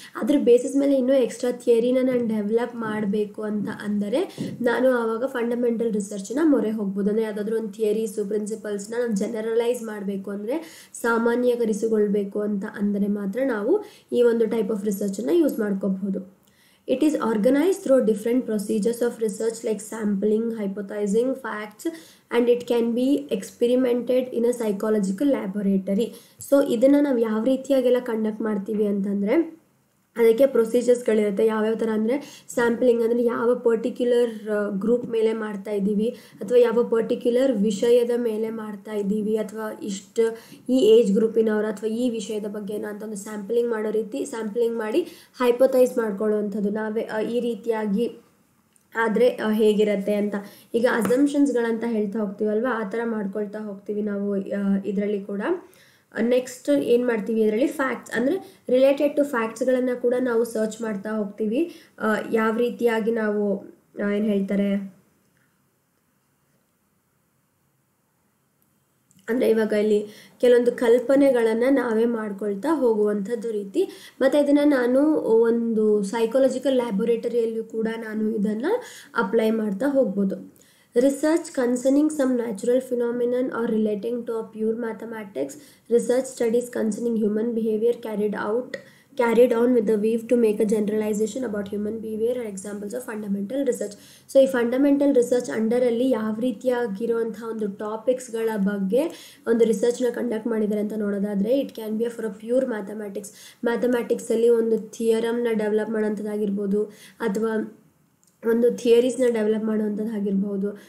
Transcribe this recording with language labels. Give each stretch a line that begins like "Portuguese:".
Kannada: ಅದ್ರ ಬೇಸಿಸ್ ಮೇಲೆ ಇನ್ನೂ ಎಕ್ಸ್ಟ್ರಾ ಥಿಯರಿನ ನಾನು ಡೆವಲಪ್ ಮಾಡಬೇಕು ಅಂತ ಅಂದರೆ ನಾನು ಆವಾಗ ಫಂಡಮೆಂಟಲ್ ರಿಸರ್ಚ್ನ ಮೊರೆ ಹೋಗ್ಬೋದು. ಅಂದರೆ ಯಾವುದಾದ್ರೂ ಒಂದು ಥಿಯರೀಸು ಪ್ರಿನ್ಸಿಪಲ್ಸ್ನ ನಾನು ಜನರಲೈಸ್ ಮಾಡಬೇಕು ಅಂದರೆ ಸಾಮಾನ್ಯೀಕರಿಸಿಕೊಳ್ಬೇಕು ಅಂತ ಅಂದರೆ ಮಾತ್ರ ನಾವು ಈ ಒಂದು ಟೈಪ್ ಆಫ್ ರಿಸರ್ಚನ್ನು ಯೂಸ್ ಮಾಡ್ಕೋಬಹುದು.
English: It is organized through different procedures of research like sampling, hypothesizing, facts, and it can be experimented in a psychological laboratory.
Kannada: So, idana nav yav reethiyagella conduct martivi antandre ಅದಕ್ಕೆ procedures ಗಳಿರುತ್ತೆ. ಯಾವ್ಯಾವ ತರ ಅಂದ್ರೆ sampling ಅಂದ್ರೆ ಯಾವ particular group ಮೇಲೆ ಮಾಡ್ತಾ ಇದ್ದೀವಿ ಅಥವಾ ಯಾವ ಪರ್ಟಿಕ್ಯುಲರ್ ವಿಷಯದ ಮೇಲೆ ಮಾಡ್ತಾ ಇದ್ದೀವಿ ಅಥವಾ ಇಷ್ಟು ಈ ಏಜ್ ಗ್ರೂಪಿನವ್ರ ಅಥವಾ ಈ ವಿಷಯದ ಬಗ್ಗೆ ಏನೋ ಅಂತ ಒಂದು ಸ್ಯಾಂಪಲಿಂಗ್ ಮಾಡೋ ರೀತಿ ಸ್ಯಾಂಪಲಿಂಗ್ ಮಾಡಿ ಹೈಪೊಥೈಸ್ ಮಾಡ್ಕೊಳ್ಳುವಂಥದ್ದು ನಾವೇ ಈ ರೀತಿಯಾಗಿ ಆದರೆ ಹೇಗಿರುತ್ತೆ ಅಂತ. ಈಗ ಅಸಂಪ್ಷನ್ಸ್ಗಳಂತ ಹೇಳ್ತಾ ಹೋಗ್ತೀವಲ್ವ, ಆ ಥರ ಮಾಡ್ಕೊಳ್ತಾ ಹೋಗ್ತೀವಿ ನಾವು ಇದರಲ್ಲಿ ಕೂಡ. ನೆಕ್ಸ್ಟ್ ಏನು ಮಾಡ್ತೀವಿ ಇದರಲ್ಲಿ, ಫ್ಯಾಕ್ಟ್ಸ್ ಅಂದರೆ ರಿಲೇಟೆಡ್ ಟು ಫ್ಯಾಕ್ಟ್ಸ್ಗಳನ್ನು ಕೂಡ ನಾವು ಸರ್ಚ್ ಮಾಡ್ತಾ ಹೋಗ್ತೀವಿ. ಯಾವ ರೀತಿಯಾಗಿ ನಾವು ಏನು ಹೇಳ್ತಾರೆ ಅಂದರೆ ಇವಾಗ ಇಲ್ಲಿ ಕೆಲವೊಂದು ಕಲ್ಪನೆಗಳನ್ನು ನಾವೇ ಮಾಡ್ಕೊಳ್ತಾ ಹೋಗುವಂಥದ್ದು ರೀತಿ. ಮತ್ತು ಇದನ್ನು ನಾನು ಒಂದು ಸೈಕೋಲಾಜಿಕಲ್ ಲ್ಯಾಬೊರೇಟರಿಯಲ್ಲಿಯೂ ಕೂಡ ನಾನು ಇದನ್ನು ಅಪ್ಲೈ ಮಾಡ್ತಾ ಹೋಗ್ಬೋದು.
English: Research concerning some natural phenomenon or relating to a pure mathematics. Research studies concerning human behavior carried on with a view to make a generalization about human behavior are examples of fundamental research.
Kannada: So, ಈ fundamental research under ಅಲ್ಲಿ ಯಾವ ರೀತಿಯಾಗಿರುವಂತಹ ಒಂದು ಟಾಪಿಕ್ಸ್ಗಳ ಬಗ್ಗೆ ಒಂದು ರಿಸರ್ಚ್ನ conduct ಮಾಡಿದ್ದಾರೆ ಅಂತ ನೋಡೋದಾದರೆ,
English: It can be a for a pure mathematics.
Kannada: ಮ್ಯಾಥಮೆಟಿಕ್ಸಲ್ಲಿ ಒಂದು ಥಿಯರಮ್ನ ಡೆವಲಪ್ ಮಾಡೋಂಥದ್ದಾಗಿರ್ಬೋದು ಅಥವಾ ಒಂದು ಥಿಯರೀಸ್ನ ಡೆವಲಪ್ ಮಾಡುವಂಥದ್ದಾಗಿರ್ಬೋದು.